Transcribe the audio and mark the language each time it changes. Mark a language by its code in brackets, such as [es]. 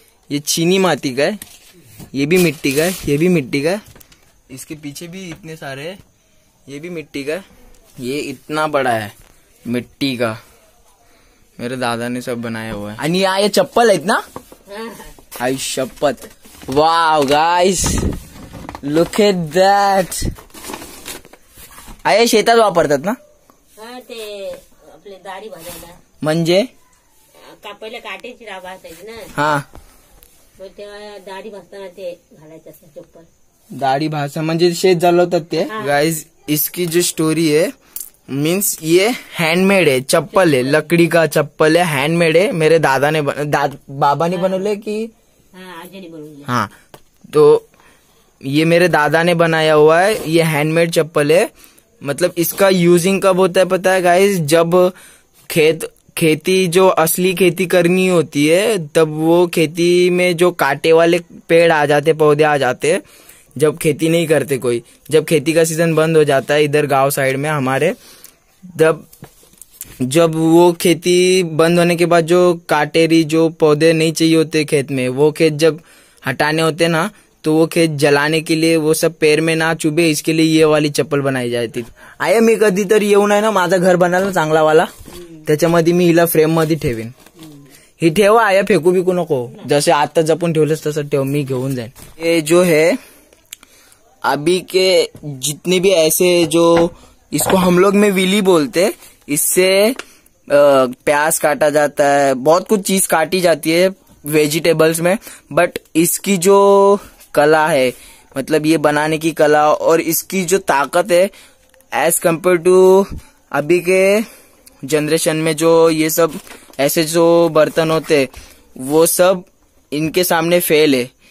[hi] ये चीनी माटी का है, ये भी मिट्टी का है, ये भी मिट्टी का है, इसके पीछे भी इतने सारे हैं, ये भी मिट्टी का है, ये इतना बड़ा है मिट्टी का, मेरे दादा ने सब बनाया हुआ है। अन यहाँ ये चप्पल है इतना, [mr] आई शपथ। [en] wow guys look at that, [mr] आये शेतात वापरतात ना ते आपले दाढी बांधायला, म्हणजे पहिले काटेची राब असायची ना, हा दाढी भासताना ते घालायचं असतं चप्पल, दाढी भासा म्हणजे शेत जळवतात ते। [hi] गाईज इसकी जो स्टोरी आहे मीन्स ये हैंडमेड है, चप्पल है, लकड़ी का चप्पल है, हैंडमेड है, मेरे दादा ने बाबा ने बनवले की हाँ, तो ये मेरे दादा ने बनाया हुआ है, ये हैंडमेड चप्पल है। मतलब इसका यूजिंग कब होता है पता है गाइस, जब खेती जो असली खेती करनी होती है तब वो खेती में जो कांटे वाले पेड़ आ जाते, पौधे आ जाते, जब खेती नहीं करते कोई, जब खेती का सीजन बंद हो जाता है इधर गांव साइड में हमारे, जब वो खेती बंद होने के बाद जो काटेरी जो पौधे नहीं चाहिए होते खेत में, वो खेत जब हटाने होते ना तो वो खेत जलाने के लिए वो सब पैर में ना चुभे इसके लिए ये वाली चप्पल बनाई जाती। [mr] आया मी कधी तर येऊन आहे ना, माझा घर बनल ना चांगला वाला, त्याच्यामध्ये मी हिला फ्रेम मध्ये ठेवीन, ही ठेवा आया फेकू बिकू नको, जसे आता जपून ठेवलेस तसं ठेव, मी घेऊन जाईन। [hi] हे जो है अभी के जितने भी ऐसे जो इसको हम लोग में विली बोलते, इससे प्याज काटा जाता है, बहुत कुछ चीज काटी जाती है वेजिटेबल्स में, बट इसकी जो कला है मतलब ये बनाने की कला और इसकी जो ताकत है एज कम्पेयर टू अभी के जनरेशन में जो ये सब ऐसे जो बर्तन होते वो सब इनके सामने फेल है।